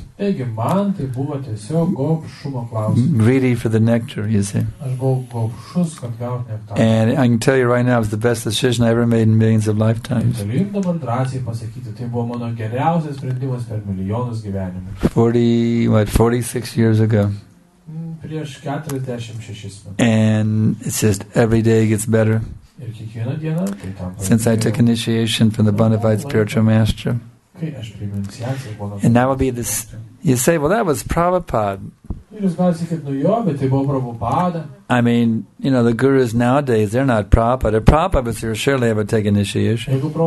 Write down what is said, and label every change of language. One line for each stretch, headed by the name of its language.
Lithuanian: Taigi, man tai buvo tiesiog gobšumo klausimas.
English: Greedy for the nectar, you see.
Lithuanian: Aš buvau gobšus, kad gaut nektarą.
English: And I can tell you right now, it was the best decision I ever made in millions of lifetimes.
Lithuanian: Galiu jums dabar drąsiai pasakyti, tai buvo mano geriausias sprendimas per milijonus gyvenimų.
English: 46 years ago.
Lithuanian: Prieš 46 metų.
English: And it's just every day gets better.
Lithuanian: Ir kiekvieną dieną, tai tampa.
English: Since I took initiation from the bona fide spiritual master. And that would be this. You say, well, that was Prabhupada. I mean, you know, the gurus nowadays, they're not Prabhupada. If Prabhupada was here, surely they would take initiation.